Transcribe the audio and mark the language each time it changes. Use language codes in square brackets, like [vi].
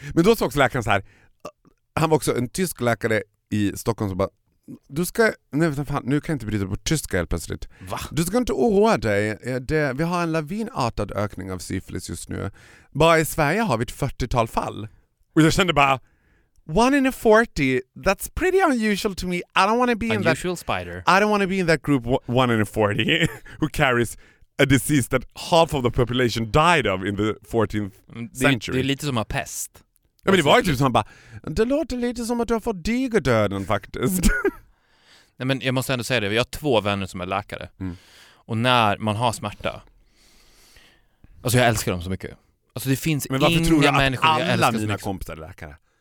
[sv] Men då sa också läkaren så här, han var också en tysk läkare i Stockholm som bara, du ska, nej, vänta, fan, nu kan jag inte bryta på tyska helt plötsligt. Va? Du ska inte oroa dig. Vi har en lavinartad ökning av syfilis just nu. Bara i Sverige har vi ett 40-tal fall. Och jag kände bara, [en] one in a 40, that's pretty unusual to me. I don't want to be unusual in that. Unusual spider. I don't want to be in that group, one in a 40, who carries a disease that half of the population died of in the 14th century. [sv] Det är lite som en pest. Ja, men det var ju typ som att bara, det låter lite som att du har fått diga döden faktiskt. Nej, men jag måste ändå säga det. Jag har två vänner som är läkare. Mm. Och när man har smärta, alltså jag älskar dem så mycket. Alltså det finns inga människor jag älskar. Men varför tror du att alla mina kompisar är läkare?